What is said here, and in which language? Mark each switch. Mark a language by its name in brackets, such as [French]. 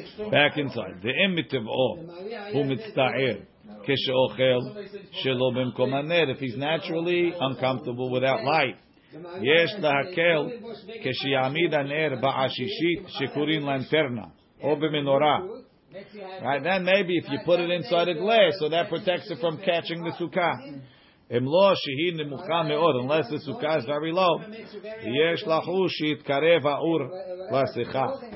[English] Back inside. [Hebrew] ואם מטבעו, הוא מצטער. כשאוכל שלא במקום הנר. [English] If he's naturally uncomfortable without light. [Hebrew] יש להקל כשיעמיד הנר בעשישית שקורין לנטרנה או במנורה. [English] Right, then maybe if you put it inside a glass, so that protects it from catching the sukkah. [Hebrew] אם לא שהיא נמוכה מאוד, [English] unless the sukkah is very low, [Hebrew] יש לחוש שיתקרב האור לשיחה.